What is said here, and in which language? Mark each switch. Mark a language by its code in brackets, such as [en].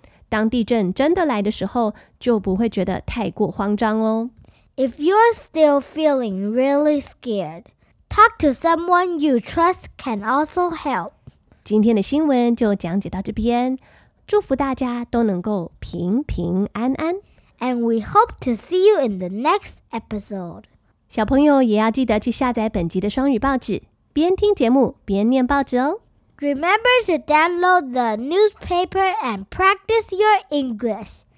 [zh] 当地震真的来的时候，就不会觉得太过慌张哦。 [en] If you're still feeling really scared, talk to someone you trust can also help. [zh] 今天的新闻就讲解到这边，祝福大家都能够平平安安。 [en] And we hope to see you in the next episode. [zh] 小朋友也要记得去下载本集的双语报纸，边听节目边念报纸哦。 [en] Remember to download the newspaper and practice your English.